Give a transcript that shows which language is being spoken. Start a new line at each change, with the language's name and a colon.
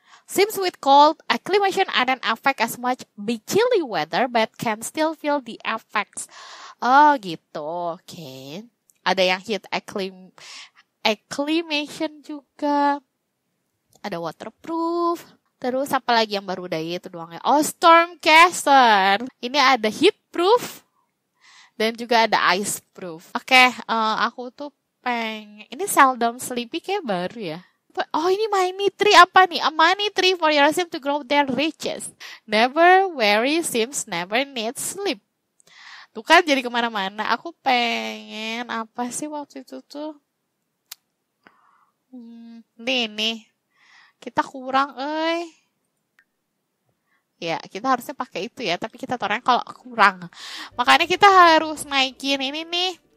English: Sims with cold acclimation doesn't affect as much be chilly weather, but can still feel the effects.
Indonesian: Oh, gitu. Oke. Okay. Ada yang heat acclimation juga. Ada waterproof. Terus apa lagi yang baru dari itu doang ya? Oh, storm caster. Ini ada heat proof. Dan juga ada ice proof. Oke, okay, aku tuh pengen. Ini seldom sleepy kayak baru ya. Oh, ini money tree apa nih?
English: A money tree for your sim to grow their riches. Never worry, sims never need sleep.
Indonesian: Tuh kan jadi kemana-mana. Aku pengen apa sih waktu itu tuh? Nih. Kita kurang, eh. Ya, kita harusnya pakai itu ya. Tapi kita taruhnya kalau kurang. Makanya kita harus naikin ini nih.